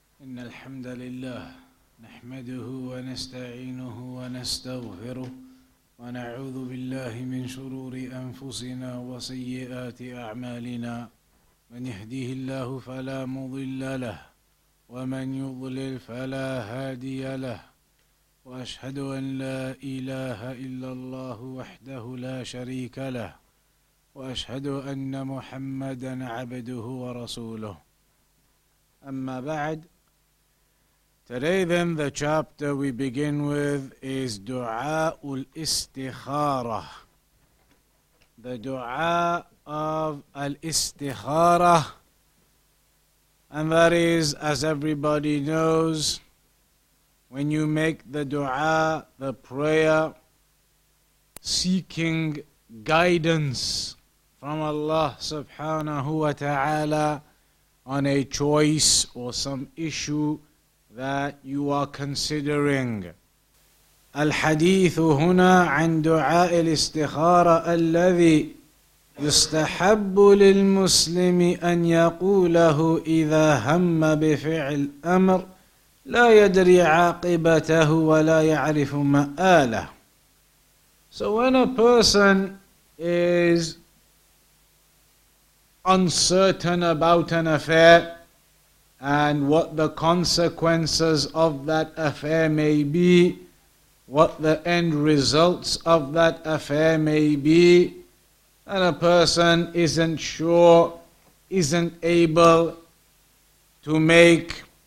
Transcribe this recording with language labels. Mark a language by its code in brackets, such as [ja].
[ar] إن الحمد لله نحمده ونستعينه ونستغفره ونعوذ بالله من شرور أنفسنا وسيئات أعمالنا، من يهديه الله فلا مضل له ومن يضلل فلا هادي له، وأشهد أن لا إله إلا الله وحده لا شريك له، وأشهد أن محمدا عبده ورسوله. أما بعد، [en] today then the chapter we begin with is Dua al-Istikhara, the Dua of al-Istikhara, and that is, as everybody knows, when you make the Dua, the prayer, seeking guidance from Allah subhanahu wa ta'ala on a choice or some issue that you are considering. [ar] الحديث هنا عن دعاء الاستخارة الذي يستحب للمسلم أن يقوله إذا هم بفعل أمر لا يدري عاقبته ولا يعرف مآله. [en] So when a person is uncertain about an affair and what the consequences of that affair may be, what the end results of that affair may be, and a person isn't sure, isn't able to make